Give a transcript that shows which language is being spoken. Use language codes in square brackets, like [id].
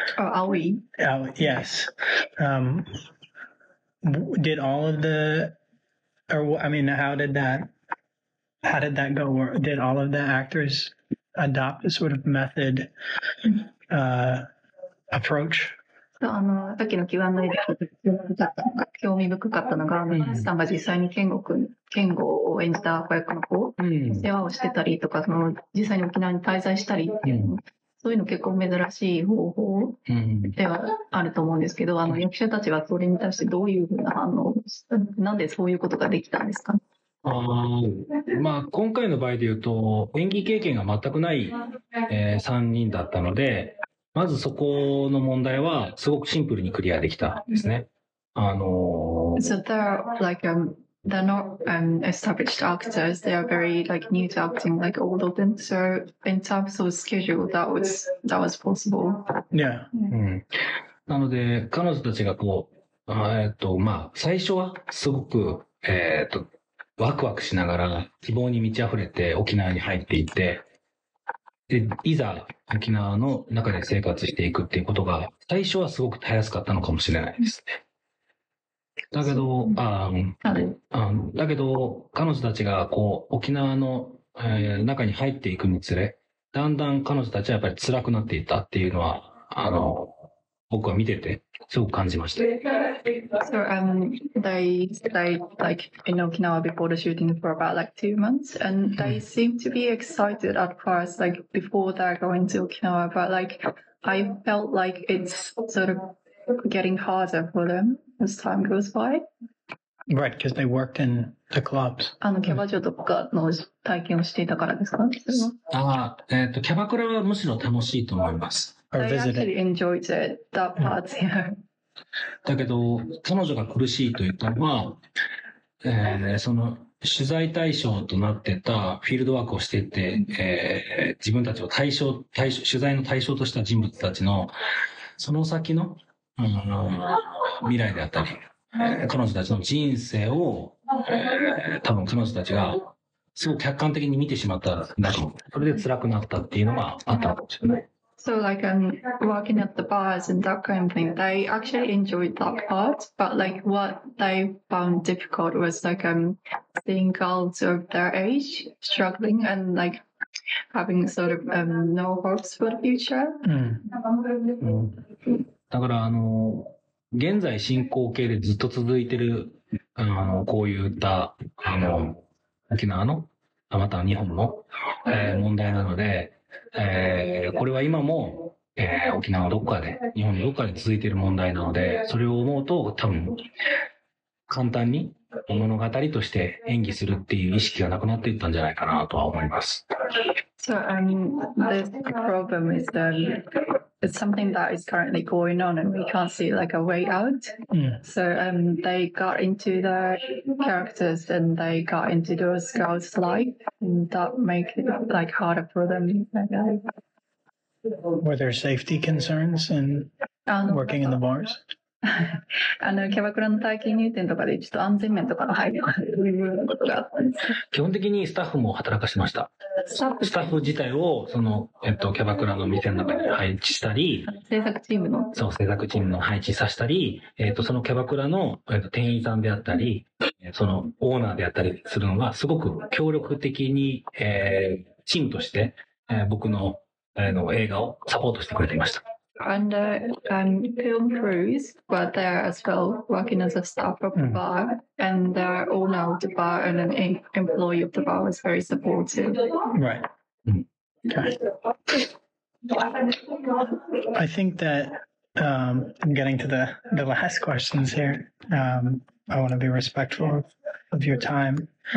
[en] Oh, Aoi. Yes. Did all of the, or I mean, how did that go? Or did all of the actors adopt a sort of method approach? [ja] さっきの Q&A で興味深かったのが、皆さんが実際にケンゴを演じた子役の子、世話をしてたりとか、その実際に沖縄に滞在したりっていう。そういうの結構珍しい方法ではあると思うんですけど、役者たちはそれに対してどういうふうな反応をしたの？なんでそういうことができたんですか？まあ、今回の場合で言うと、演技経験が全くない、3人だったので、まずそこの問題はすごくシンプルにクリアできたんですね。 [en] So they're like, they're not established actors. They are very like new to acting, like all of them. So in terms of schedule, that was possible. Yeah. [ja] なので彼女たちがこう、まあ最初はすごくワクワクしながら希望に満ち溢れて沖縄に入っていって、で、いざ沖縄の中で生活していくっていうことが、最初はすごくたやすかったのかもしれないですね。だけど、だけど、彼女たちがこう沖縄の、中に入っていくにつれ、だんだん彼女たちはやっぱり辛くなっていったっていうのは、僕は見てて、すごく感じました。 [en] So, they in Okinawa before the shooting for about like 2 months, and they seem to be excited at first, like before they're going to Okinawa, but like I felt like it's sort of getting harder for them as time goes by. Right, because they worked in the clubs. [ja] あの、キャバ嬢とかの体験をしていたからですか？キャバクラはむしろ楽しいと思います。 [en] They actually enjoyed it, that part, yeah. [ja] だけど彼女が苦しいと言ったのは、その取材対象となってたフィールドワークをしていて、自分たちを対象取材の対象とした人物たちのその先の、未来であったり、彼女たちの人生を、多分彼女たちがすごく客観的に見てしまったんだと、それで辛くなったっていうのがあったかもしれない。 [en] So like working at the bars and that kind of thing, they actually enjoyed that part. But like what they found difficult was like seeing girls of their age struggling and like having sort of no hopes for the future. [ja] だから現在進行形でずっと続いてるこういった沖縄のまた日本の問題なので。これは今も、沖縄どこかで日本のどこかで続いている問題なので、それを思うと多分簡単に物語として演技するっていう意識がなくなっていったんじゃないかなとは思います。 [en] So the problem is it's something that is currently going on and we can't see like a way out. So they got into the characters and they got into those girls' life and that make it like harder for them. Were there safety concerns in working in the bars? [ja] キャバクラの体験入店とかでちょっと安全面とかの配慮があったんです。基本的にスタッフも働かせました。スタッフ自体をキャバクラの店の中に配置したり、制作チームの配置させたり、そのキャバクラの、店員さんであったり、そのオーナーであったりするのがすごく協力的に、チームとして、僕 の、の映画をサポートしてくれていました。 [en] And film crews were there as well, working as a staff of the bar, and the owner of the bar and an employee of the bar was very supportive. Right. Okay. I think that getting to the last questions here, I want to be respectful of your time.